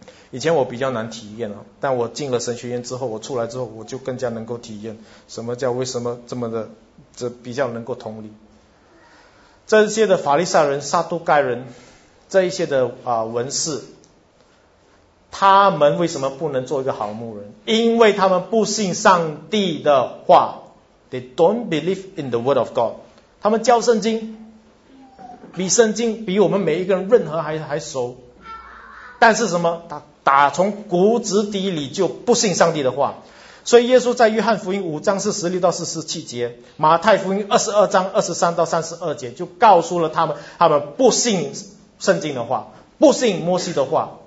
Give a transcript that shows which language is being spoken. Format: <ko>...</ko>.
<zh>以前我比较难体验但我进了神学院之后，我出来之后，我就更加能够体验什么叫为什么这么的。这比较能够同理，这些的法利赛人、撒都盖人，这一些的文士，他们为什么不能做一个好牧人？因为他们不信上帝的话</zh> <en>，They don't believe in the word of God。</en> <zh>他们教圣经，比圣经比我们每一个人任何还熟，但是什么？打从骨子底里就不信上帝的话。所以耶稣在约翰福音5章46到47节，马太福音22章23到32节，就告诉了他们不信圣经的话，不信摩西的话。</zh>